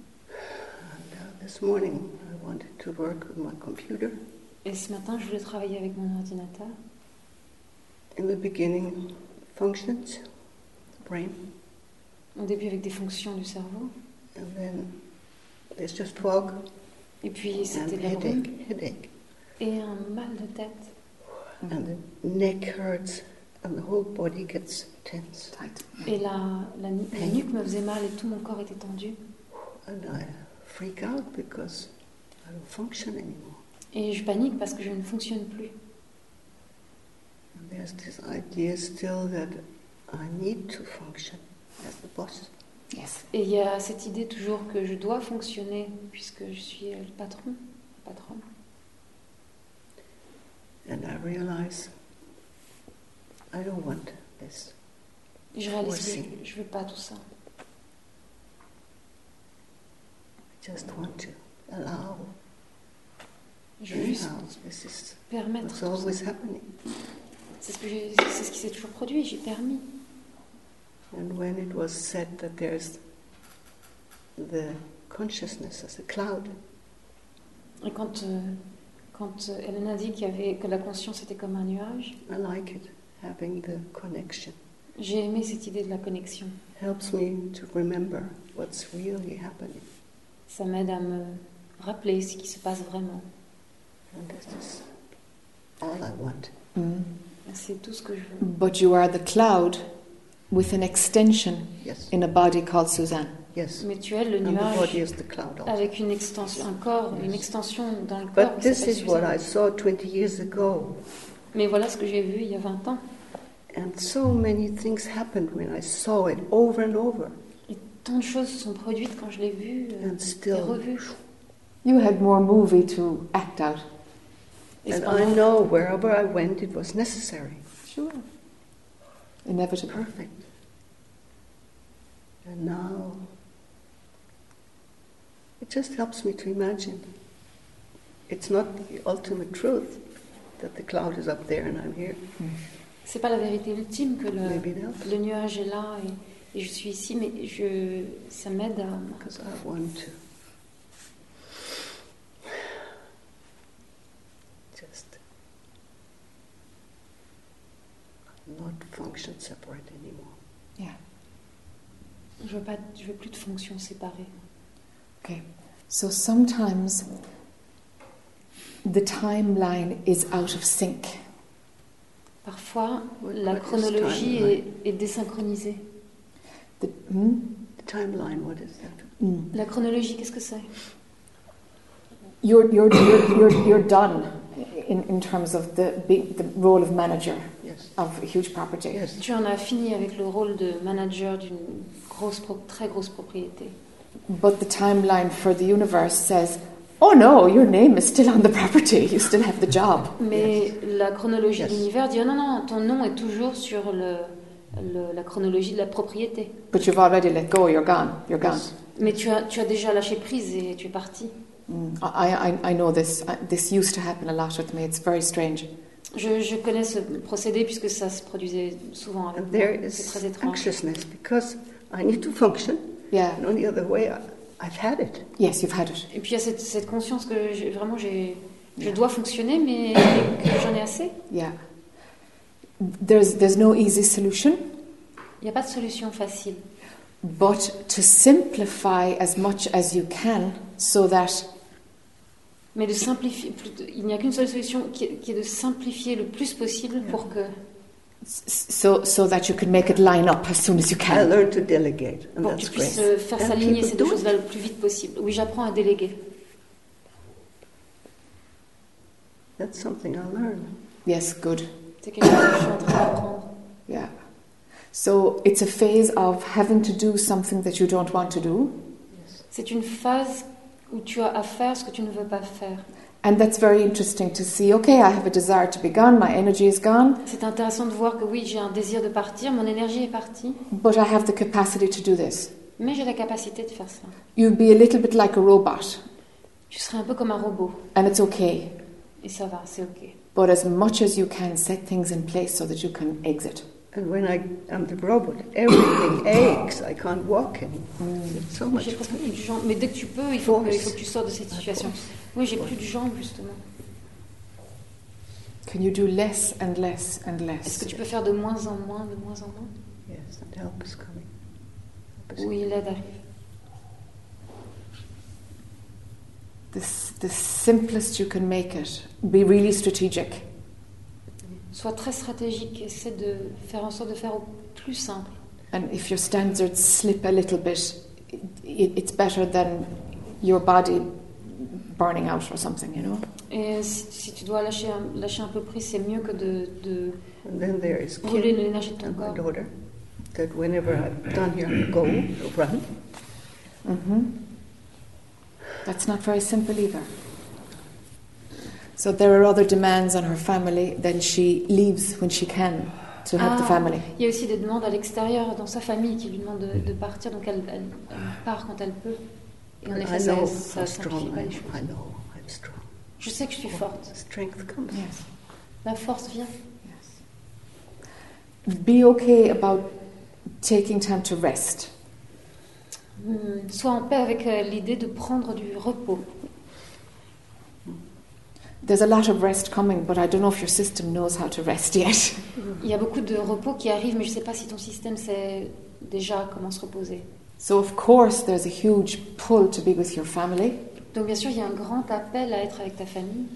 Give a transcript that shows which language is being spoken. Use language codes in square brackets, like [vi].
[en] And this morning I wanted to work with my computer. [fr] Et ce matin je voulais travailler avec mon ordinateur. [en] In the beginning, functions, brain. [fr] Au début avec des fonctions du cerveau. [en] And then it's just fog. [fr] Et puis c'était [en] and [fr] la [en] headache, rhume. Headache. [fr] Et un mal de tête. [en] And the neck hurts, and the whole body gets tense. Tight. [fr] Et la nuque me faisait mal et tout mon corps était tendu. [en] And I freak out because I don't function anymore. [fr] Et je panique parce que je ne fonctionne plus. [en] And there's this idea still that I need to function as the boss. Yes. [fr] Et il y a cette idée toujours que je dois fonctionner puisque je suis le patron, la patronne. [en] And I realize I don't want this. [fr] Je réalise que je veux pas tout ça. [en] I just want to allow. [fr] Je veux juste permettre. [en] It's always happening. [fr] C'est ce qui s'est toujours produit. J'ai permis. [en] And when it was said that there's the consciousness as a cloud. [fr] Et quand elle a dit que la conscience était comme un nuage, [en] I like it, having the connection. [fr] J'ai aimé cette idée de la connexion. [en] Helps me to remember what's really happening. [fr] Ça m'aide à me rappeler ce qui se passe vraiment. [en] And this is all I want. [fr] Mm. C'est tout ce que je veux. [en] But you are the cloud with an extension in a body called Suzanne. Yes. [fr] Mais tu es le nuage [en] the body is the cloud also. [fr] Avec une extension, un corps, une extension dans le [en] but [fr] corps. [en] This is what I saw 20 years ago. [fr] Mais voilà ce que j'ai vu il y a 20 ans. [en] And so many things happened when I saw it over and over. [fr] Et tant de choses sont produites quand je l'ai vu [en] and still, [fr] et revu. [en] You had more movie to act out. And I know wherever I went it was necessary. Sure. Inevitable. Perfect. And now, it just helps me to imagine. It's not the ultimate truth that the cloud is up there and I'm here. [fr] C'est pas la vérité ultime que le nuage est là et je suis ici, mais ça m'aide à. [en] Because I want to just not function separate anymore. Yeah. [fr] Je veux plus de fonctions séparées. [en] Okay. So sometimes the timeline is out of sync. [fr] Parfois la chronologie est désynchronisée. [en] The timeline, what is that? Mm. [fr] La chronologie, qu'est-ce que c'est? [en] You're done in terms of the role of manager. Of a huge property. Yes. [fr] Tu en as fini avec le rôle de manager d'une très grosse propriété. [en] But the timeline for the universe says, oh no, your name is still on the property, you still have the job. [fr] Mais la chronologie de l'univers dit, oh non, ton nom est toujours sur la chronologie de la propriété. [en] But you've already let go, you're gone. [fr] Mais tu as déjà lâché prise et tu es parti. [en] I know this. This used to happen a lot with me. It's very strange. [fr] Je connais ce procédé puisque ça se produisait souvent avec moi. [en] There is [fr] c'est très étrange. [en] Anxiousness because I need to function. Yeah. And on the other way, I've had it. Yes, you've had it. [fr] Et puis il y a cette conscience que je dois fonctionner, mais que j'en ai assez. [en] Yeah. There's no easy solution. [fr] Il n'y a pas de solution facile. [en] But to simplify as much as you can, so that. [fr] Mais de simplifier, il n'y a qu'une seule solution qui est de simplifier le plus possible pour que. [en] So that you can make it line up as soon as you can. I learned to delegate, and [fr] pour [en] that's [fr] que tu puisses [en] great. [fr] Faire s'aligner ces deux choses-là le plus vite possible. Oui, j'apprends à déléguer. [en] That's something I learned. Yes, good. [fr] C'est quelque chose que je suis en train d'apprendre. [en] Yeah. So it's a phase of having to do something that you don't want to do. [fr] C'est une phase où tu as à faire ce que tu ne veux pas faire. [en] And that's very interesting to see. Okay, I have a desire to be gone. My energy is gone. [fr] C'est intéressant de voir que oui, j'ai un désir de partir. Mon énergie est partie. [en] But I have the capacity to do this. [fr] Mais j'ai la capacité de faire ça. [en] You'd be a little bit like a robot. [fr] Je serais un peu comme un robot. [en] And it's okay. [fr] Et ça va, c'est okay. [en] But as much as you can, set things in place so that you can exit. And when I'm the robot, everything aches. I can't walk anymore. [fr] J'ai plus de jambes. Mais dès que tu peux, il faut que tu sors de cette situation. Oui, j'ai plus de jambes, justement. [en] Can you do less and less and less? [fr] Est-ce que tu peux faire de moins en moins, de moins en moins? [en] Yes, and help is coming. [fr] Oui, l'aide arrive. [en] The simplest you can make it. Be really strategic. [fr] Sois très stratégique. Essaie de faire en sorte de faire au plus simple. [en] And if your standards slip a little bit, it's better than your body burning out or something, you know. [fr] Et si tu dois lâcher un peu prise, c'est mieux que de [en] and then there is [fr] brûler l'énergie de ton corps. [en] My daughter, that whenever I've done here, go run. Mm-hmm. That's not very simple either. So there are other demands on her family, then she leaves when she can to help the family. [fr] Il y a aussi des demandes à l'extérieur dans sa famille qui lui demandent de partir, donc elle part quand elle peut. Et en effet, ça simplifie pas les choses. [en] I know I'm strong. [fr] Je sais que je suis forte. [en] Strength comes. Yes. [fr] La force vient. [en] Yes. Be okay about taking time to rest. [fr] Sois en paix avec l'idée de prendre du repos. [en] There's a lot of rest coming, but I don't know if your system knows how to rest yet. [fr] Il y a beaucoup de repos qui arrivent, mais je ne sais pas si ton système sait déjà comment se reposer. [en] So of course there's a huge pull to be with your family. [fr] Donc bien sûr, il y a un grand appel à être avec ta famille.